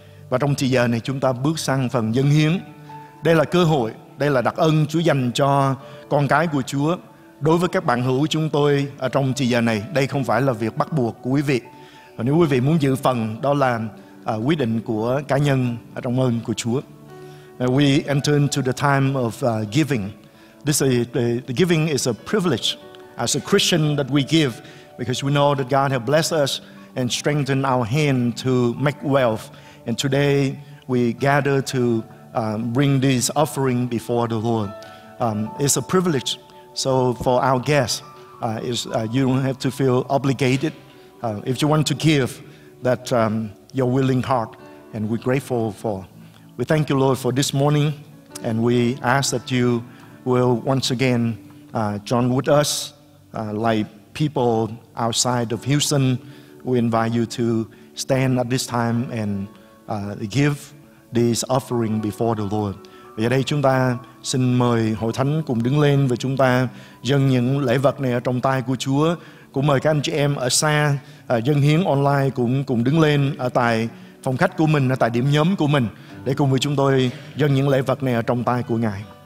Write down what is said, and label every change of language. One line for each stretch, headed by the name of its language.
Vietnamese: Và trong thời giờ này chúng ta bước sang phần dâng hiến. Đây là cơ hội, đây là đặc ân Chúa dành cho con cái của Chúa. Đối với các bạn hữu của chúng tôi ở trong thời giờ này, đây không phải là việc bắt buộc của quý vị. Và nếu quý vị muốn giữ phần, đó là quyết định của cá nhân ở trong ơn của Chúa.
English: We enter into the time of giving. The giving is a privilege as a Christian that we give because we know that God has blessed us and strengthened our hand to make wealth. And today we gather to bring this offering before the Lord. It's a privilege. So for our guests, you don't have to feel obligated. If you want to give, that your willing heart, and we're grateful for. We thank you, Lord, for this morning, and we ask that you will once again join with us, like people outside of Houston. We invite you to stand at this time and give this offering before the Lord.
Vietnamese: Và đây chúng ta xin mời hội thánh cùng đứng lên và chúng ta dâng những lễ vật này ở trong tay của Chúa. Cũng mời các anh chị em ở xa dâng hiến online cũng đứng lên ở tại phòng khách của mình, ở tại điểm nhóm của mình để cùng với chúng tôi dâng những lễ vật này ở trong tay của Ngài.